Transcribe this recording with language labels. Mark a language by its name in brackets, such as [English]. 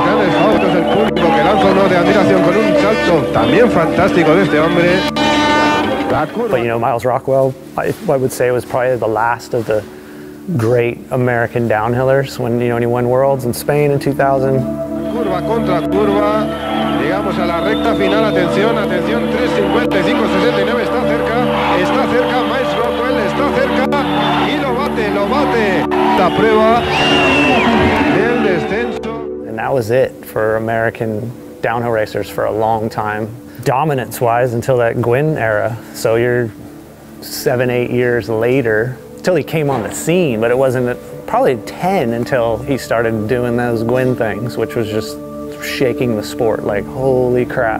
[Spanish] combinación con un salto también fantástico de este hombre. [English] But you know, Miles Rockwell, I would say, was probably the last of the great American downhillers when, you know, he won Worlds in Spain in 2000. [Spanish] Curva contra curva, llegamos a la recta final, atención, atención, 3:55.69, está cerca, Miles Rockwell, está cerca, y lo bate, lo bate. La prueba del descenso. [English] And that was it for American downhill racers for a long time. Dominance wise until that Gwin era, so you're 7-8 years later until he came on the scene, but it wasn't probably 10 until he started doing those Gwin things, which was just shaking the sport, like holy crap.